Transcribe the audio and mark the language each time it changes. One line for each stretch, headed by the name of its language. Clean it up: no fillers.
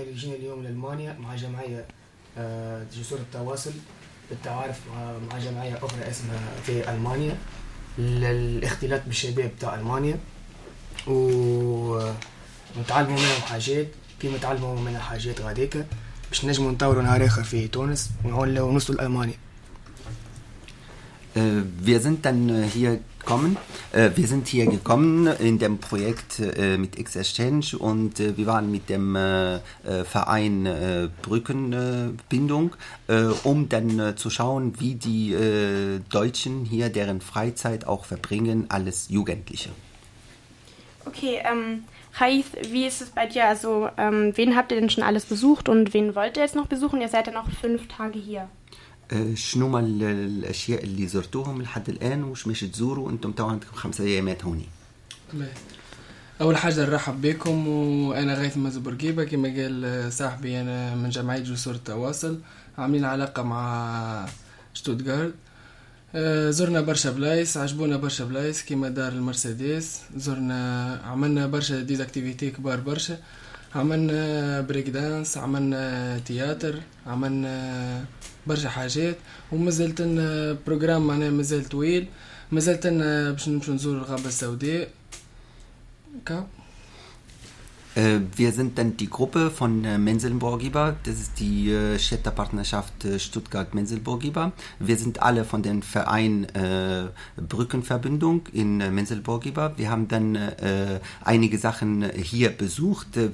Arabic: لا جينا اليوم لالمانيا مع جمعيه جسور التواصل بالتعارف مع جمعيه اخرى اسمها في المانيا للاختلاط بالشباب تاع المانيا ونتعلموا منهم حاجات كيما تعلموا منا حاجات غاديك باش نجموا نطوروا نهار اخر في تونس ونولوا نوصلوا لالمانيا.
German: Wir sind dann hier gekommen. Wir sind hier gekommen in dem Projekt mit X-Exchange und wir waren mit dem Verein Brückenbindung, um dann zu schauen, wie die Deutschen hier deren Freizeit auch verbringen, alles Jugendliche. Okay, Haith, wie ist es bei dir? Also, wen habt ihr denn schon alles besucht und wen wollt ihr jetzt noch besuchen? Ihr seid ja noch 5 Tage hier.
Arabic: شنو ما الأشياء اللي زرتوهم لحد الآن وش مش تزوروا أنتم توا عندكم 5 أيامات هوني؟ أول حاجة نرحب بكم وأنا غيث مزبرقيبة كما قال صاحبي أنا من جمعية جسور التواصل عاملين علاقة مع شتوتغارت زرنا برشا بلايس عجبونا برشا بلايس كما دار المرسيدس زرنا عملنا برشا ديز أكتيفيتي كبار برشا عملنا بريك دانس عملنا تياتر عملنا برشا حاجات ومازلت ان بروجرام معناها مازال طويل مازلت ان باش نمشي نزور الغابة السوداء كا
German: Wir sind dann die Gruppe von Menselborgiba, das ist die Städtepartnerschaft Stuttgart-Menselborgiba. Wir sind alle von dem Verein Brückenverbindung in Menselborgiba. Wir haben dann einige Sachen hier besucht.